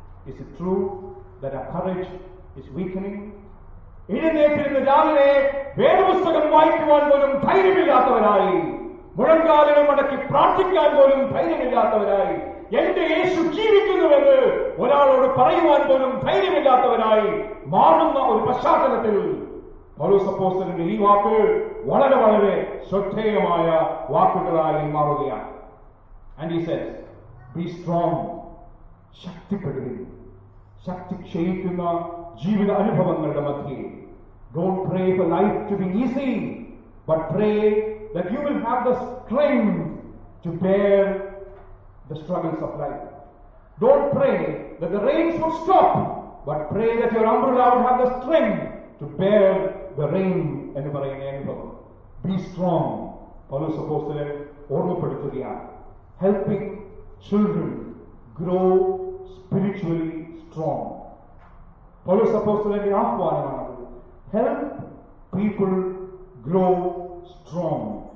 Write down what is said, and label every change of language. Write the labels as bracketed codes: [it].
[en] Is it true that our courage is weakening? [ml] എഴുന്നേറ്റിരുന്ന് രാവിലെ വേദപുസ്തകം വായിക്കുവാൻ പോലും ധൈര്യമില്ലാത്തവരായി, മുഴങ്കാലുകൾ മടക്കി പ്രാർത്ഥിക്കാൻ പോലും ധൈര്യമില്ലാത്തവരായി, എന്റെ യേശു ജീവിക്കുന്നുവെന്ന് ഒരാളോട് പറയുവാൻ പോലും ധൈര്യമില്ലാത്തവരായി മാറുന്ന ഒരു പശ്ചാത്തലത്തിൽ പൗലോസപ്പോസ്തലന്റെ ഈ വാക്കുകൾ വളരെ വളരെ ശ്രദ്ധേയമായ വാക്കുകളായി മാറുകയാണ്. [en] And he says, be strong, [ml] ശക്തിപ്പെടുക, ശക്തി ക്ഷയിക്കുന്ന ജീവിത അനുഭവങ്ങളുടെ മധ്യേ. [en] Don't pray for life to be easy, but pray that you will have the strength to bear the struggles of life. Don't pray that the rains will stop, but pray that your umbrella will have the strength to bear the rain. [ml] എന്ന് പറയുന്ന അനുഭവം, [en] be strong, [ml] പൗലോസ് അപ്പോസ്തലൻ ഓർമ്മപ്പെടുത്തുകയാണ്. [en] helping children grow spiritually strong, [ml] പൗലോസ് അപ്പോസ്തലന്റെ ആഹ്വാനമാണത്. [en] Help people grow strong.